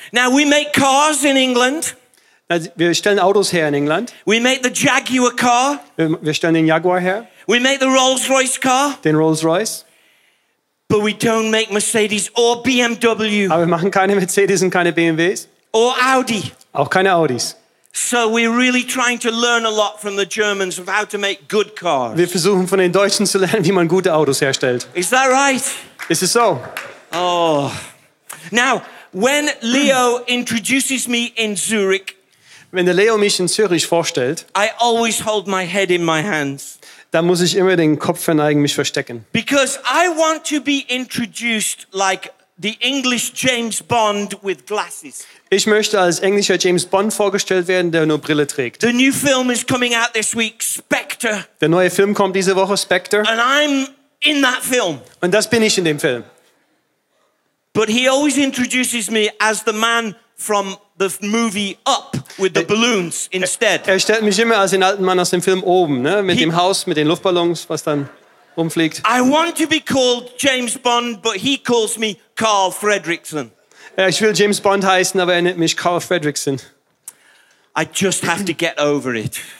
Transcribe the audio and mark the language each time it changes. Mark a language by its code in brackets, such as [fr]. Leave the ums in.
[en] Now we make cars in England. [de] Wir stellen Autos her in England. [en] We make the Jaguar car. [de] Wir stellen den Jaguar her. [en] We make the Rolls-Royce car. [de] Den Rolls-Royce. [en] But we don't make Mercedes or BMW. [de] Aber wir machen keine Mercedes und keine BMWs. [en] Or Audi. [de] Auch keine Audis. [en] So we're really trying to learn a lot from the Germans of how to make good cars. [de] Wir versuchen von den Deutschen zu lernen, wie man gute Autos herstellt. [en] Is that right? [de] Ist es so? [en] Oh. Now, when Leo introduces me in Zurich, when [de] der Leo [en] me in Zürich I always hold my head in my hands. [de] Da muss ich immer den Kopf verneigen, mich verstecken. [en] Because I want to be introduced like the English James Bond with glasses. [de] Ich möchte als englischer James Bond vorgestellt werden, der nur Brille trägt. [en] The new film is coming out this week, Spectre. [de] Der neue Film kommt diese Woche, Spectre. [en] And I'm in that film. [de] Und das bin ich in dem Film. [en] But he always introduces me as the man from the movie up with the balloons instead. [de] Er, er, stellt mich immer als den alten Mann aus dem Film oben, ne, mit he, dem Haus mit den Luftballons, was dann rumfliegt. [en] I want to be called James Bond, but he calls me Carl Fredrickson. [de] ich will James Bond heißen, aber er nennt mich Carl Fredrickson. [en] I just have to get over it.